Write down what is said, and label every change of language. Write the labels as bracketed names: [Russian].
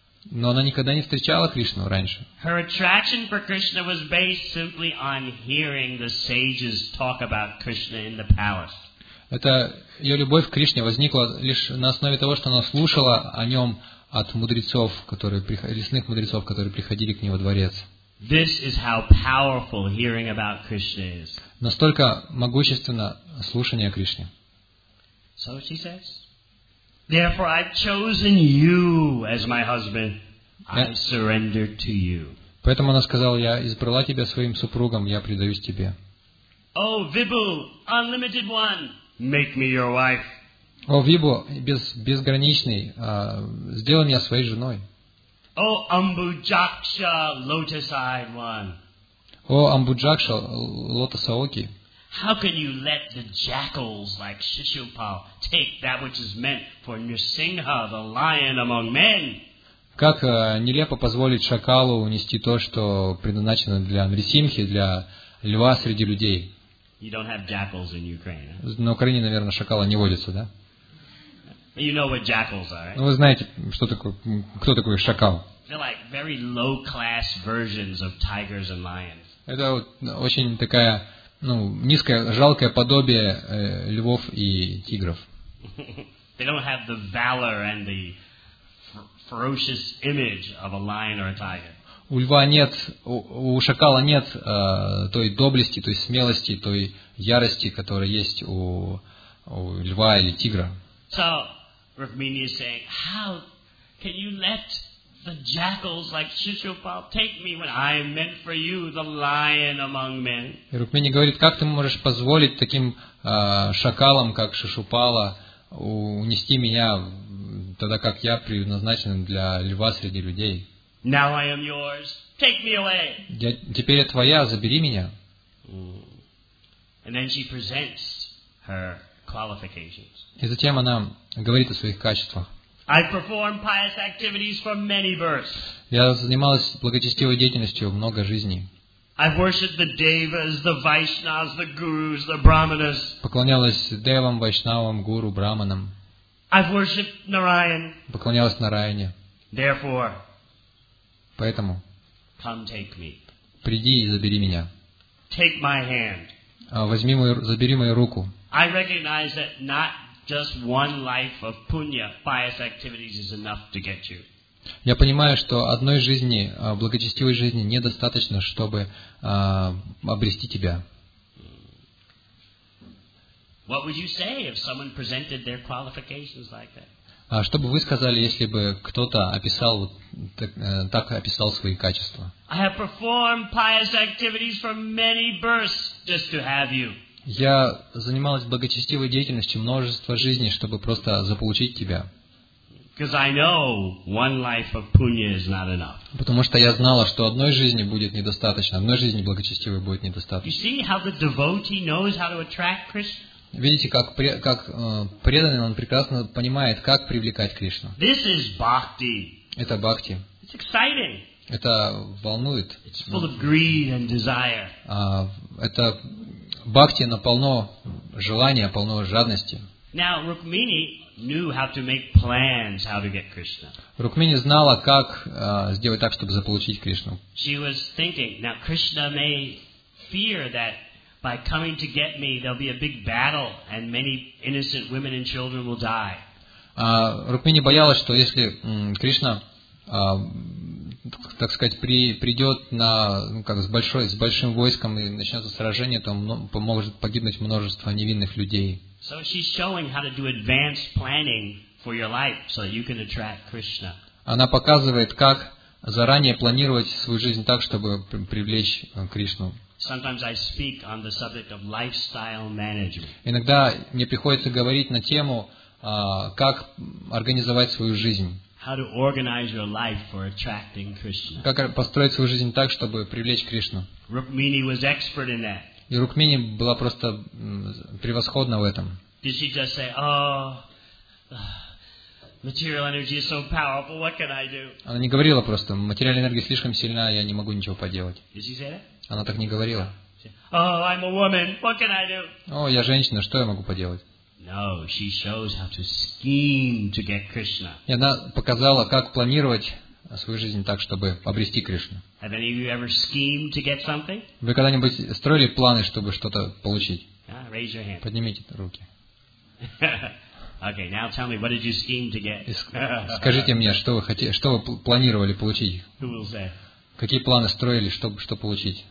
[Russian] Но она никогда не встречала Кришну раньше. [English] Her attraction for Krishna was based simply on hearing the sages talk about Krishna in the palace. [Russian] Это ее любовь к Кришне возникла лишь на основе того, что она слушала о нем от мудрецов, лесных мудрецов, которые приходили к ней во дворец. [English] This is how powerful hearing about Krishna is. [Russian] Настолько могущественно слушание о Кришне. [English] So she says, therefore I've chosen you as my husband. I surrender to you. [Russian] Поэтому она сказала, я избрала тебя своим супругом, я предаюсь тебе. [English] Oh, Vibhu, unlimited one. Make me your wife. [Russian] О, Вибу, безграничный, сделай меня своей женой. О, Амбуджакша, лотос- [English] eyed one. [Russian] О, Амбуджакша, лотосооки. [English] How can you let the jackals like Shishupal take that which is meant for Nrisimha, the lion among men? [Russian] Как нелепо позволить шакалу унести то, что предназначено для Нрисимхи, для льва среди людей? [English] You don't have jackals in Ukraine. [Russian] На Украине, наверное, шакала не водится, да? [English] You know what jackals are, right? [Russian] Ну, вы знаете, что такое, кто такой шакал? [English] They're like very low-class versions of tigers and lions. [Russian] Это вот очень такая, ну, низкое, жалкое подобие львов и тигров. [English] They don't have the valor and the ferocious image of a lion or a tiger. [Russian] У льва нет, у шакала нет той доблести, той смелости, той ярости, которая есть у льва или тигра. [English] So, Rukmini is saying, how can you let the jackals like Shishupal take me when I am meant for you, the lion among men? [Russian] Rukmini говорит, как ты можешь позволить таким шакалам, как Шишупала, унести меня, тогда как я предназначен для льва среди людей? [English] Now I am yours. Take me away. [Russian] Теперь я твоя, забери меня. [English] And then she presents her qualifications. [Russian] И затем она говорит о своих качествах. [English] I've performed pious activities for many births. [Russian] Я занималась благочестивой деятельностью много жизней. [English] I've worshipped the devas, the vaishnavas, the gurus, the brahmanas. [Russian] Поклонялась девам, вайшнавам, гуру, брахманам. [English] I've worshipped Narayan. [Russian] Поклонялась Нараяне. [English] Therefore, [Russian] поэтому, [English] come take me. [Russian] Приди и забери меня. [English] Take my hand. [Russian] Возьми мою, забери мою руку. [English] I recognize that not just one life of punya, pious activities is enough to get you. [Russian] Я понимаю, что одной жизни, благочестивой жизни недостаточно, чтобы обрести тебя. [English] What would you say if someone presented their qualifications like that? [Russian] А что бы вы сказали, если бы кто-то описал так описал свои качества? [English] I have performed pious activities for many births just to have you. [Russian] Я занималась благочестивой деятельностью множество жизней, чтобы просто заполучить тебя. [English] Because I know one life of punya is not enough. [Russian] Потому что я знала, что одной жизни будет недостаточно, одной жизни благочестивой будет недостаточно. [English] You see how the devotee knows how to attract Krishna? [Russian] Видите, как преданный, он прекрасно понимает, как привлекать Кришну. [English] This is bhakti. [Russian] Это бхакти. [English] It's exciting. [Russian] Это волнует. [English] It's full of greed and desire. [Russian] Это бхакти, оно полно желания, полно жадности. [English] Now, Rukmini knew how to make plans how to get Krishna. [Russian] Rukmini знала, как сделать так, чтобы заполучить Кришну. [English] She was thinking, now Krishna may fear that by coming to get me, there'll be a big battle and many innocent women and children will die. [Russian] Rukmini боялась, что если Кришна, так сказать, придет на, ну, как, с большим войском и начнется сражение, то может погибнуть множество невинных людей. [English] So she's showing how to do advanced planning for your life so you can attract Krishna. [Russian] Она показывает, как заранее планировать свою жизнь так, чтобы привлечь Кришну. [English] Sometimes I speak on the subject of lifestyle management. [Russian] Иногда мне приходится говорить на тему, как организовать свою жизнь. [English] How to organize your life for attracting Krishna. [Russian] Как построить свою жизнь так, чтобы привлечь Кришну. [English] Rukmini was expert in that. [Russian] И Рукмини была просто превосходна в этом. [English] Did she just say, "Oh, material energy is so powerful. What can I do?" [Russian] Она не говорила просто, материальная энергия слишком сильна, я не могу ничего поделать. [English] Did she say that? [Russian] Она так не говорила. [English] Oh, I'm a woman. What can I do? [Russian] О, я женщина, что я могу поделать? [English] No, she shows how to scheme to get Krishna. [Russian] И она показала, как планировать свою жизнь так, чтобы обрести Кришну. [English] Have any of you ever schemed to get something? [Russian] Вы когда-нибудь строили планы, чтобы что-то получить? [English] Yeah, raise your hand. [Russian] Поднимите руки. [English] Okay, now tell me, what did you scheme to get? [Russian] Скажите мне, что вы хотели, что вы планировали получить? [English] Who will say? [Russian] Какие планы строили, чтобы что получить?